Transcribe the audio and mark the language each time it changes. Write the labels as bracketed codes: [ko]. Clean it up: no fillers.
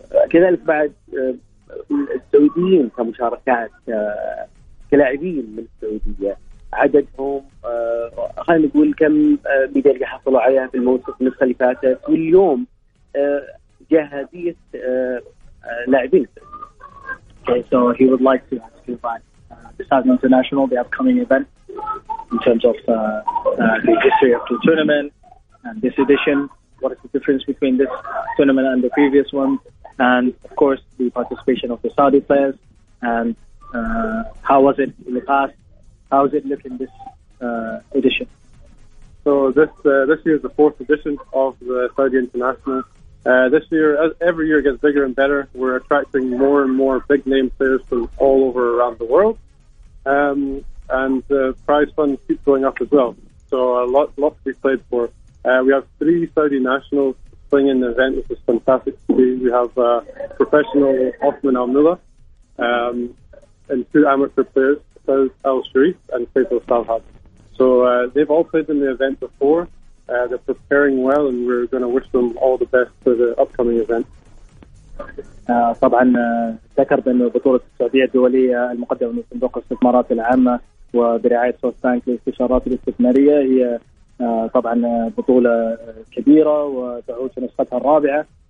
[ar] كذلك بعد السعوديين كمشاركات كلاعبين من السعودية، عددهم خلينا نقول كم ميدالية حصلوا عليها في الموسم النسخة اللي فاتت، واليوم جاهزية لاعبين. [en] Okay, so he would like to ask you about besides international, the upcoming event in terms of the history of the tournament and this edition. What is the difference between this tournament and the previous one? And of course, the participation of the Saudi players. And how was it in the past? How is it looking this edition? So this year is the fourth edition of the Saudi International. This year, every year gets bigger and better. We're attracting more and more big name players from all over around the world, and the prize funds keep going up as well. So a lot to be played for. We have three Saudi nationals playing in the event, which is fantastic to see. We have professional Othman Al-Mulla, and two amateur players, Saud Al-Sharif and Faisal Salhab. So they've all played in the event before. They're preparing well, and we're going to wish them all the best for the upcoming event. [ar] طبعا ذكر بأنه بطولة السعودية الدولية المقدمة من صندوق الاستثمارات العامة وبرعاية سوفت بانك للاستشارات الاستثمارية هي طبعا بطولة كبيرة وتعود نسختها الرابعة.